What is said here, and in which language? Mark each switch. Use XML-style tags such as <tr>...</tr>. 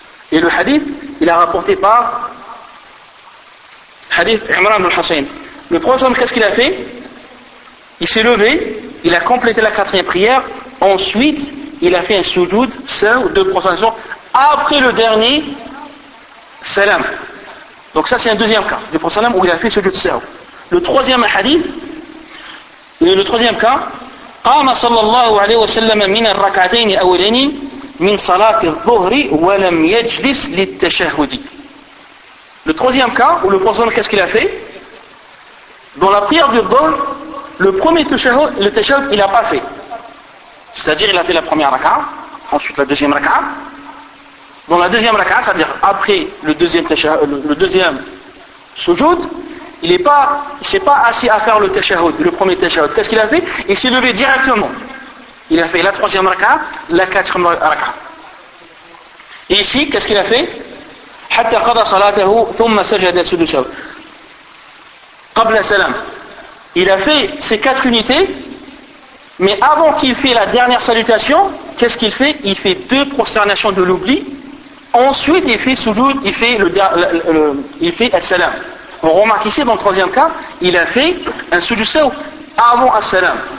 <fr>Et le hadith, il a rapporté par Hadith Imran ibn Hussein. Le prophète, qu'est-ce qu'il a fait? Il s'est levé, il a complété la quatrième prière, ensuite, il a fait un sujoud, sahw, deux prosternations, après le dernier salam. Donc ça, c'est un deuxième cas du prophète où il a fait sujoud, sahw. Le troisième hadith, le troisième cas,</fr> <ar>قام صلى الله عليه وسلم من الركعتين أولين من صلاة الظهر ولم يجلس للتشهد.</ar> <fr>Le troisième cas, où le prophète, qu'est-ce qu'il a fait? Dans la prière du Dhuhr, le premier tashahhud, le tashahhud, il n'a pas fait. C'est-à-dire, il a fait la première raka'a, ensuite la deuxième raka'a. Dans la deuxième raka'a, c'est-à-dire après le deuxième tashahhud, le deuxième sujoud, il n'est pas, c'est pas assis à faire le tashahhud, le premier tashahhud. Qu'est-ce qu'il a fait? Il s'est levé directement. Il a fait la troisième raka'a, la quatrième raka'a. Et ici, qu'est-ce qu'il a fait?</fr> <ar>حتى قضى صلاته ثم سجد سدسه قبل سلام.</ar> <fr>Il a fait ces quatre unités, mais avant qu'il fait la dernière salutation, qu'est-ce qu'il fait? Il fait deux prosternations de l'oubli. Ensuite, il fait sujoud, il fait le as-salam. On remarque ici dans le troisième cas, il a fait un sudusa avant as-salam.</fr>